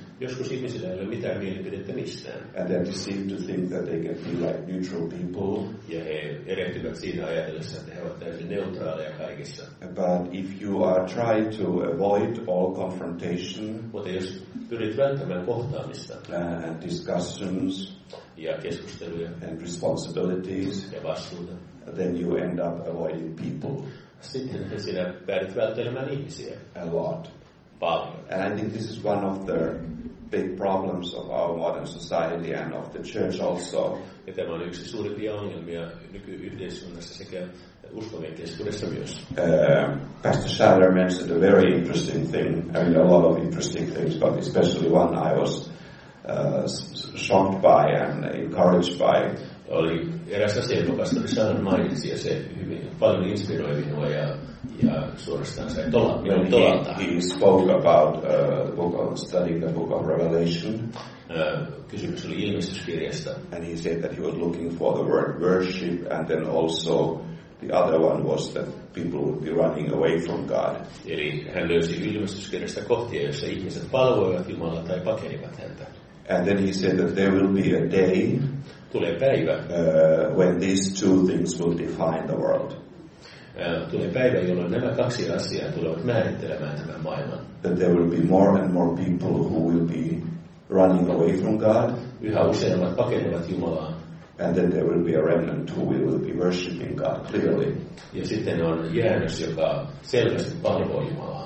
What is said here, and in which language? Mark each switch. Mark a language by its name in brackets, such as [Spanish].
[Finnish] Joskus ihmisillä ei ole mitään mielipidettä missään. [English] And they seem to think that they can be like neutral people. [Finnish] Ja he erehtyvät siinä ajatellessa, että he ovat täysin neutraaleja kaikissa. [English] But if you are trying to avoid all confrontation. [Finnish] Mutta jos pyrit välttämään kohtaamista. [English] And discussions. [Finnish] Ja keskusteluja. [English] And responsibilities. [Finnish] Ja vastuuta. [English] Then you end up avoiding people. [Finnish] Sitten sinä päädyt välttelemään ihmisiä. [English] A lot. And I think this is one of the big problems of our modern society and of the church also. [Finnish] Ja tämä on yksi suurimpia ongelmia nykyyhteiskunnassa sekä uskovien keskuudessa myös. [English] Pastor Schaller mentioned a very interesting thing, I mean a lot of interesting things, but especially one I was shocked by and encouraged by. [Finnish] Oli eräs asia, joka pastori Schaller mainitsi, ja se hyvin paljon inspiroi minua ja suorastaan sai tolalta. [English] He spoke about studying the book of Revelation. [Finnish] Kysymys oli ilmestyskirjasta. [English] And he said that he was looking for the word worship, and then also the other one was that people would be running away from God. [Finnish] Eli hän löysi ilmestyskirjasta kohtia, jossa ihmiset palvoivat Jumalaa tai pakenivat häntä. [English] And then he said that there will be a day. [Finnish] Tulee päivä. [English] When these two things will define the world. [Finnish] Tulee päivä, jolloin nämä kaksi asiaa tulevat määrittelemään tämän maailman. [English] That there will be more and more people who will be running away from God. [Finnish] Yhä useammat pakenevat Jumalaa. [English] And then there will be a remnant who will be worshiping God clearly. [Finnish] Ja sitten on jäännös, joka selvästi palvoo Jumalaa.